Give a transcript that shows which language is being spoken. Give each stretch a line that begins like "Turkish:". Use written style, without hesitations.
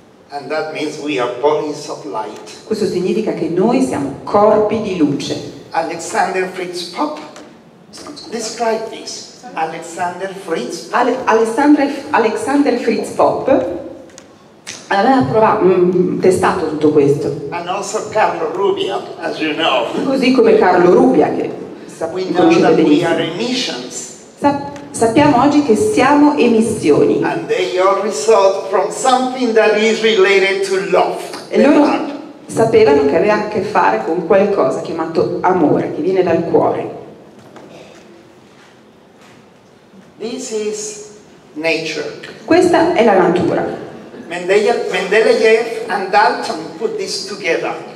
English: And that means we are bodies of light.
Italian: Questo significa che noi siamo corpi di luce.
English: Alexander Fritz Popp described this. Alexander Fritz
Italian: Popp. Alexander Fritz Popp aveva testato tutto questo.
English: And also Carlo Rubbia, as you know.
Italian: Così come Carlo Rubbia, che conoscete benissimo. Sappiamo oggi che siamo emissioni.
English: And they all result from something that is related to love.
Italian: E loro sapevano che aveva a che fare con qualcosa chiamato amore, che viene dal cuore.
English: This is nature.
Italian: Questa è la natura.
English: Mendeleev and Dalton put this together.